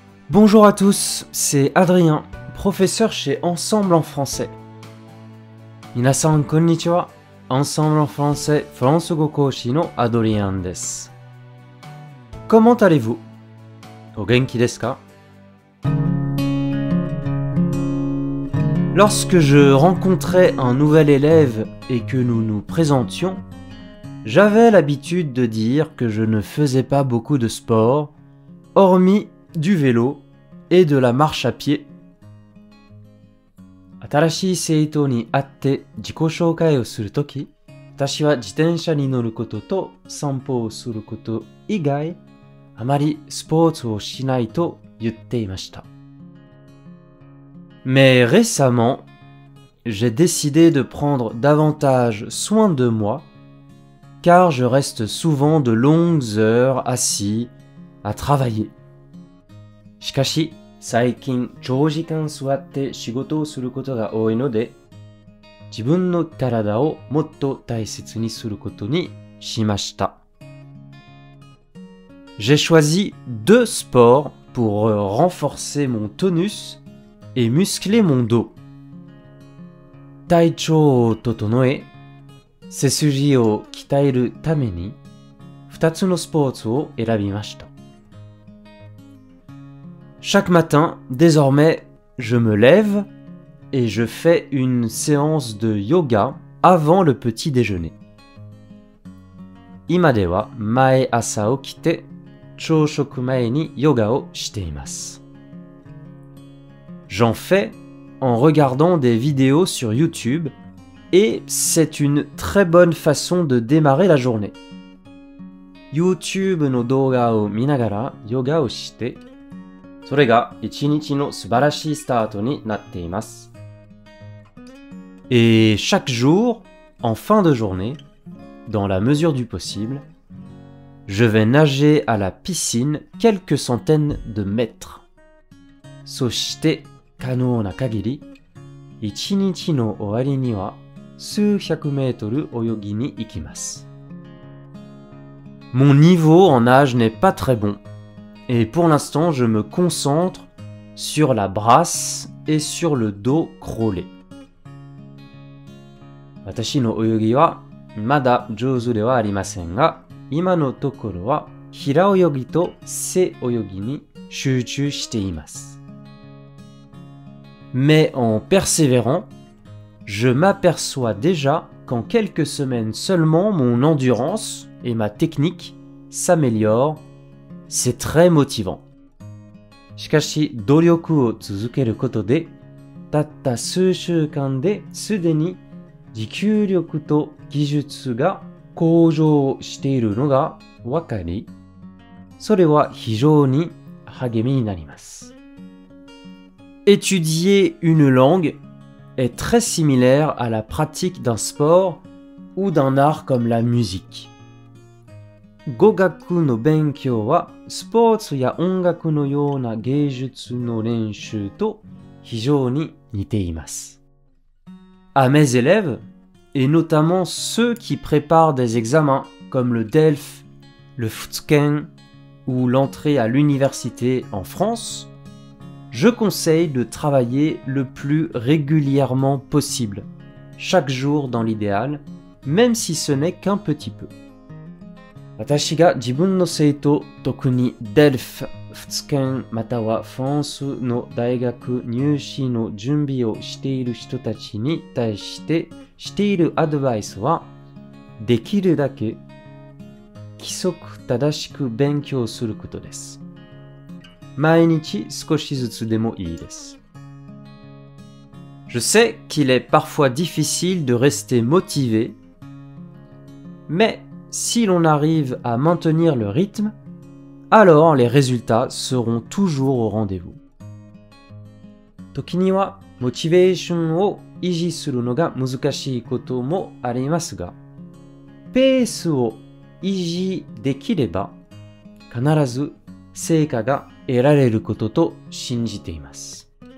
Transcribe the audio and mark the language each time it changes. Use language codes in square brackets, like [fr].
[fr] Bonjour à tous, c'est Adrien, professeur chez Ensemble en français. [ja] 皆さんこんにちは。 Ensemble en français、フランス語講師のアドリアンです。 [fr] Comment allez-vous ? [ja] お元気ですか ? [fr] Lorsque je rencontrais un nouvel élève et que nous nous présentions, j'avais l'habitude de dire que je ne faisais pas beaucoup de sport, hormis du vélo et de la marche à pied. [ja] 新しい生徒に会って自己紹介をするとき、私は自転車に乗ることと散歩をすること以外、あまりスポーツをしないと言っていました。 [fr] Mais récemment, j'ai décidé de prendre davantage soin de moi, car je reste souvent de longues heures assis à travailler. [ja] しかし、最近長時間座って仕事をすることが多いので、自分の体をもっと大切にすることにしました。 [fr] J'ai choisi deux sports pour renforcer mon tonus et muscler mon dos. [ja] 体調を整え、背筋を鍛えるために、二つのスポーツを選びました。 [fr] Chaque matin, désormais, je me lève et je fais une séance de yoga avant le petit déjeuner. [ja] 今では毎朝起きて朝食前にヨガをしています。 [fr] J'en fais en regardant des vidéos sur YouTube et c'est une très bonne façon de démarrer la journée. [ja] YouTube の動画を見ながらヨガをしてそれが一日の素晴らしいスタートになっています。 [fr] Et chaque jour, en fin de journée, dans la mesure du possible, je vais nager à la piscine quelques centaines de mètres. [ja] そして、可能な限り、一日の終わりには数百メートル泳ぎに行きます。 [fr] Mon niveau en nage n'est pas très bon. Et pour l'instant, je me concentre sur la brasse et sur le dos crawlé. 私の泳ぎはまだ上手ではありませんが、今のところは平泳ぎと背泳ぎに集中しています。 Mais en persévérant, je m'aperçois déjà qu'en quelques semaines seulement, mon endurance et ma technique s'améliorent. C'est très motivant. [ja] しかし、努力を続けることで、たった数週間ですでに持久力と技術が向上しているのがわかり、それは非常に励みになります。 [fr] Étudier une langue est très similaire à la pratique d'un sport ou d'un art comme la musique. [ja] 語学の勉強はスポーツや音楽のような芸術の練習と非常に似ています。 [fr] À mes élèves, et notamment ceux qui préparent des examens comme le DELF, le FUTKEN ou l'entrée à l'université en France, je conseille de travailler le plus régulièrement possible, chaque jour dans l'idéal, même si ce n'est qu'un petit peu. [ja] 私が自分の生徒、特に DELF、仏剣またはフランスの大学入試の準備をしている人たちに対してしているアドバイスは、できるだけ規則正しく勉強することです。毎日少しずつでもいいです。 [fr] Je sais qu'il est parfois difficile de rester motivé, mais... Si l'on arrive à maintenir le rythme, alors les résultats seront toujours au rendez-vous. [ja] 時にはモチベーションを維持するのが難しいこともありますが、ペースを維持できれば、必ず成果が得られることと信じています。